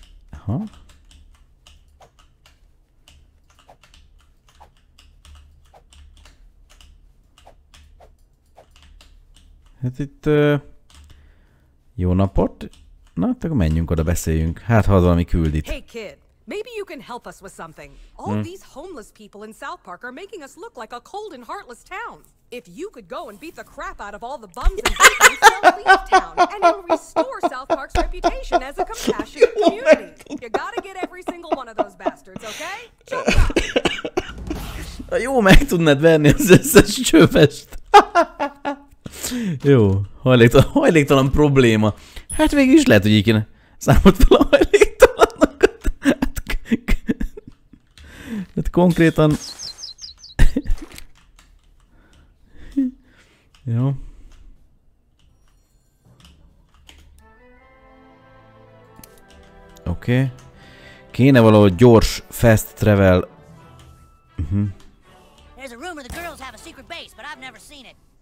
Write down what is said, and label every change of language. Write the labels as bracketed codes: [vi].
[hu] Aha. Hát itt... jó napot! Na, akkor menjünk oda, beszéljünk. Hát, ha valami küldít. [en] Hey kid, maybe you can help us with something. All these homeless people in South Park are making us look like a cold and heartless town. If you could go and beat the crap out of all the bums and people in South Leaf Town, and restore South Park's reputation as a compassionate community. You gotta get every single one of those bastards, okay? [hu] Jó, meg tudnád venni az összes csövest. Jó, hajléktalan probléma. Hát végül is lehet, hogy így kéne számolt fel a hajléktalanokat. Hát konkrétan... Jó. Oké. Kéne valahogy gyors fast travel... [en] There's a rumor the girls have a secret base, but I've never seen it.